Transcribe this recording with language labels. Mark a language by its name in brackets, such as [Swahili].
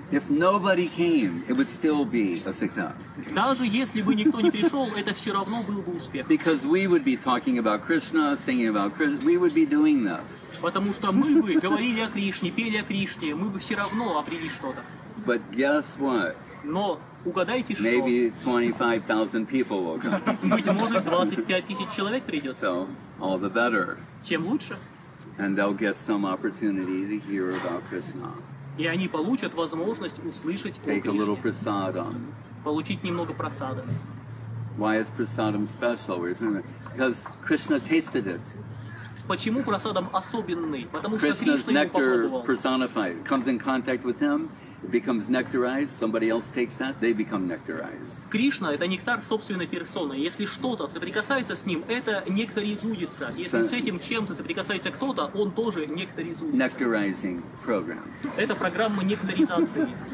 [English] If nobody came, it would still be a success. [Russian] Даже если бы никто не пришел, это все равно был бы успех. [English] Because we would be talking about Krishna, singing about Krishna, we would be doing this. [Russian] Потому что мы бы говорили о Кришне, пели о Кришне, мы бы все равно обрели что-то. [English] But guess what? [Russian] Но угадайте, что? [English] Maybe 25,000 people will come. [Russian] Быть может, 25,000 человек придет. [English] So, all the better. [Russian] Чем лучше? [English] And they'll get some opportunity to hear about Krishna. [Russian] И они получат возможность услышать о [English] Кришне. Take a little prasadam. [Russian] Получить немного прасада. [English] Why is prasadam special? Because Krishna tasted it. [Russian] Почему прасадам особенный? Потому что Кришна его попробовал. [English] Krishna's nectar personified. Comes in contact with him, it becomes nectarized. Somebody else takes that, they become nectarized. [Russian] Кришна — это нектар собственной персоны. Если что-то соприкасается с ним, это нектаризуется. Если с этим чем-то соприкасается кто-то, он тоже нектаризуется. [English] Nectarizing program. [Russian] Это программа нектаризации.